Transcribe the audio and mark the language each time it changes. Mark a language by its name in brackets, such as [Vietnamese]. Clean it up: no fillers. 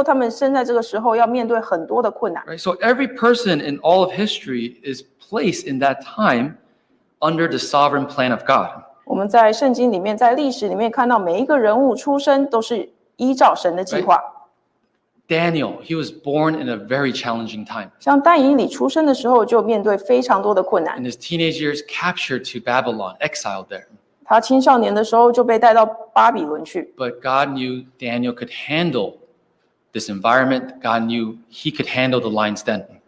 [Chinese] 神已经替他们为他们出生的时间命定好了，虽然说他们生在这个时候要面对很多的困难。 [English] Right. So every person in all of history is placed in that time under the sovereign plan of God. [Chinese] 我们在圣经里面，在历史里面看到每一个人物出生都是依照神的计划。 [English] Daniel, he was born in a very challenging time. [Chinese] 像但以理出生的时候就面对非常多的困难。 [English] In his teenage years, captured to Babylon, exiled there. [Chinese] 他青少年的时候就被带到巴比伦去。 [English] But God knew Daniel could handle this environment. God knew he could handle the lion's den.